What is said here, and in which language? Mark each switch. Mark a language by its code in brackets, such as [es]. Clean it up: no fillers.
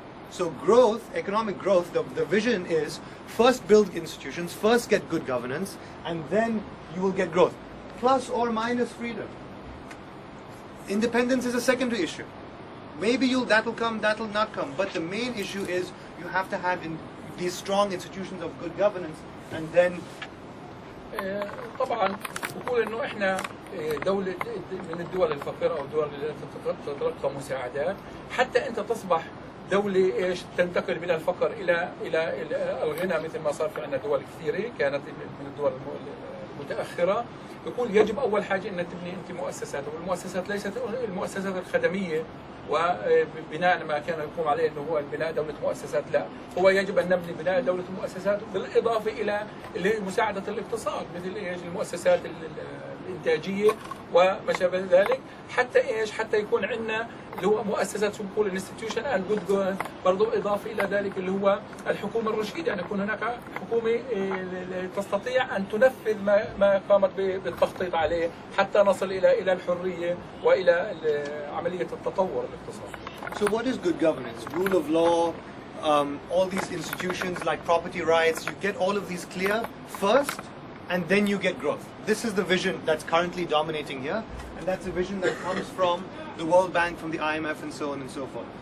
[en] So growth, economic growth, the vision is first build institutions, first get good governance, and then you will get growth. Plus or minus freedom. Independence is a secondary issue. Maybe that'll not come. But the main issue is you have to have these strong institutions of good governance, and then... [ar] طبعا بقول انه احنا دولة من الدول الفقيرة او الدول التي تتلقى مساعدات حتى انت تصبح دولة ايش تنتقل من الفقر الى الغنى مثل ما صار في عندنا دول كثيرة كانت من الدول المتأخرة. يقول يجب اول حاجة ان تبني انت مؤسسات، والمؤسسات ليست المؤسسات الخدمية وبناء ما كان يقوم عليه انه هو بناء دولة مؤسسات، لا، هو يجب ان نبني بناء دولة مؤسسات بالاضافة الى مساعدة الاقتصاد مثل ايش المؤسسات الانتاجية وما شابه ذلك، حتى ايش حتى يكون عندنا اللي هو مؤسسات بنقول [en] institution and good governance, [ar] برضو اضافة الى ذلك اللي هو الحكومة الرشيدة، يعني يكون هناك حكومة تستطيع ان تنفذ ما قامت بالتخطيط عليه حتى نصل الى الحرية والى عملية التطور الاقتصادي. [en] So what is good governance? Rule of law, all these institutions like property rights, you get all of these clear first and then you get growth. This is the vision that's currently dominating here, and that's a vision that comes from the World Bank, from the IMF, and so on and so forth.